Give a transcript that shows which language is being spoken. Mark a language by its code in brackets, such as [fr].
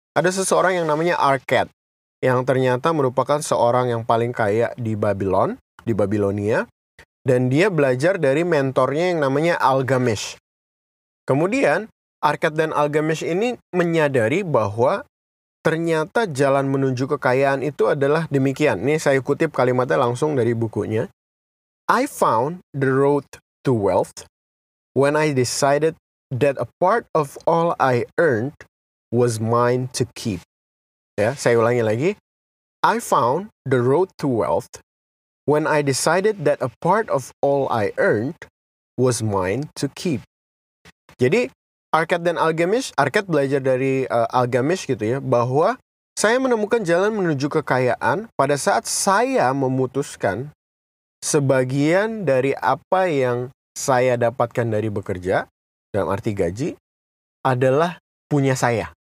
[id] Ada seseorang yang namanya Arket, yang ternyata merupakan seorang yang paling kaya di Babylon, di Babilonia. Dan dia belajar dari mentornya yang namanya Algamish. Kemudian Arket dan Algamish ini menyadari bahwa ternyata jalan menuju kekayaan itu adalah demikian. Ini saya kutip kalimatnya langsung dari bukunya. [en] I found the road to wealth when I decided that a part of all I earned was mine to keep. [id] Ya, saya ulangi lagi. [en] I found the road to wealth when I decided that a part of all I earned was mine to keep. [id] Jadi, Arket dan Algamish, Arket belajar dari Algamish gitu ya, bahwa saya menemukan jalan menuju kekayaan pada saat saya memutuskan sebagian dari apa yang saya dapatkan dari bekerja, dalam arti gaji, adalah punya saya.